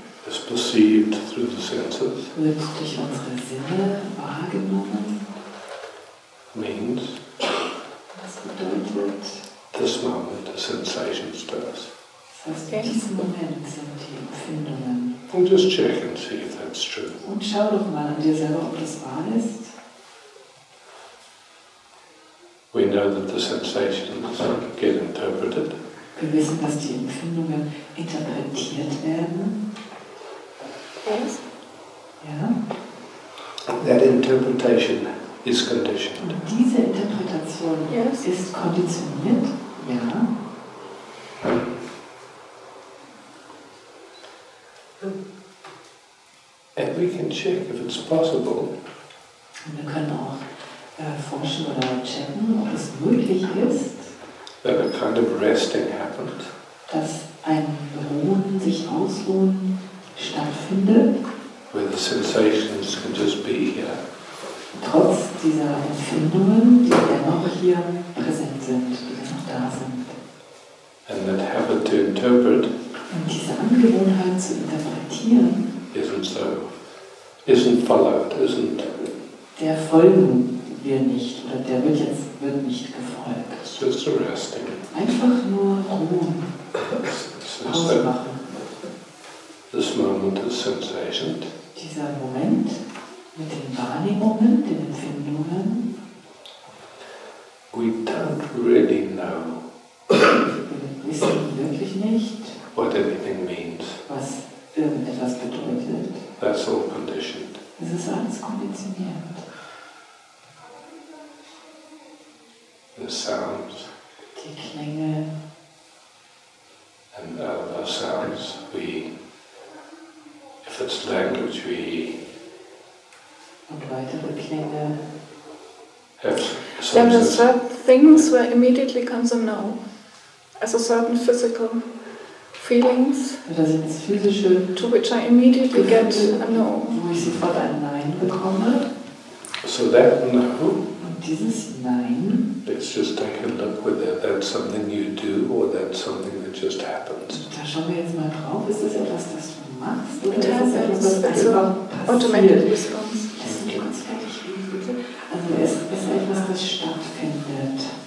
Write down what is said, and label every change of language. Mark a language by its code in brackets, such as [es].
[en] Is perceived through the senses. [de] Wird durch unsere Sinne wahrgenommen. [en] Means. [de] Das bedeutet. [en] This moment, the sensations to us. [de] Das heißt, in diesem Moment sind die Empfindungen. [en] And just check and see if that's true. [de] Und schau doch mal an dir selber, ob das wahr ist. [en] We know that the sensations get interpreted. [de] Wir wissen, dass die Empfindungen interpretiert werden. [en] Yes. [de] Ja. [en] That interpretation is conditioned. [de] Und diese Interpretation [en] yes. [de] ist konditioniert. Ja. [en] And we can check if it's possible. [de] Und wir können auch forschen oder checken, ob es möglich ist, [en] that a kind of resting happened, [de] dass ein Ruhen, sich ausruhen stattfindet, [en] where the sensations can just be here. [de] Trotz dieser Empfindungen, die dennoch hier präsent sind, die dennoch da sind. [en] And that habit to interpret, [de] und diese Angewohnheit zu interpretieren, [en] isn't so, isn't followed, isn't [de] der Folgen. Wir nicht, oder der wird jetzt wird nicht gefolgt. [en] It's just a resting. [de] Einfach nur ruhen. Ausmachen. [en] This moment is sensation. [de] Dieser Moment mit den Wahrnehmungen, den Empfindungen. [en] We don't really know. [de] Wir wissen wirklich nicht, [en] what anything means. [de] Was irgendetwas bedeutet. [en] That's all conditioned. [de] Es ist alles konditioniert. [en] The sounds, [de] die Klänge [en] and the sounds we, if it's language we, [de] und weitere Klänge. [en] Then there are certain things where immediately comes a no, also certain physical feelings, [de] oder sind es physische, [en] to which I immediately get a no, [de] wo ich sofort ein Nein bekomme. [en] So that no. [de] Dieses Nein. [en] Let's just take a look whether that's something you do or that's something that just happens. [de] Da schauen wir jetzt mal drauf. Ist das etwas, das du machst? Oder ist das etwas, das also [en] automated response. [de] Lass mich kurz fertig reden, bitte. Also ist etwas, das stattfindet.